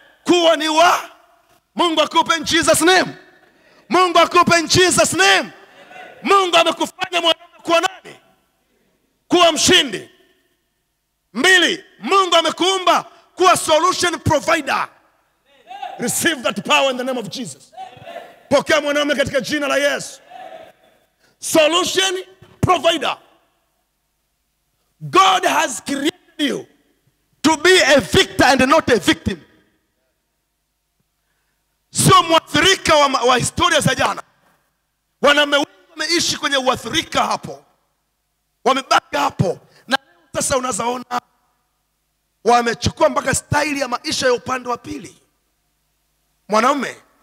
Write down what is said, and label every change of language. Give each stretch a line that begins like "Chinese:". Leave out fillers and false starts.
Swahili: Kuwa ni wa Mungu akupe
English: in Jesus name.
Swahili: Mungu akupe in Jesus name. Mungu amekufanya mwanadamu kuwa nani? Kuwa mshindi. 2, Mungu amekuumba kuwa
English: solution provider. Receive that power in the name of Jesus.
Swahili: Pokea mwanadamu katika jina la Yesu.
English: Solution provider. God has created you to be a victor and not a victim.
Swahili: Sio mwathirika wa historia za jana. Wanaume wameishi kwenye uathirika hapo. Wamebaki hapo. Na sasa unazaona wamechukua mpaka staili ya maisha ya upande wa pili. Mwanaume.